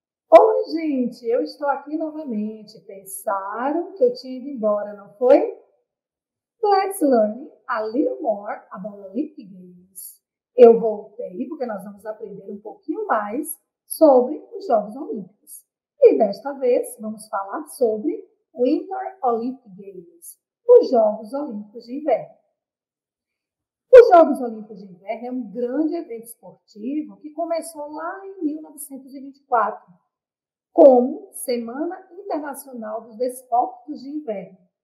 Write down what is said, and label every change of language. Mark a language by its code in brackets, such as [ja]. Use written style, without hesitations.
[pt] Oi, gente, eu estou aqui novamente. Pensaram que eu tinha ido embora, não foi? [en] Let's learn a little more about Olympic Games. [pt] Eu voltei porque nós vamos aprender um pouquinho mais sobre os Jogos Olímpicos. E desta vez vamos falar sobre [en] Winter Olympic Games, [pt] os Jogos Olímpicos de Inverno. Os Jogos Olímpicos de Inverno é um grande evento esportivo que começou lá em 1924, como Semana Internacional dos Desportos de Inverno.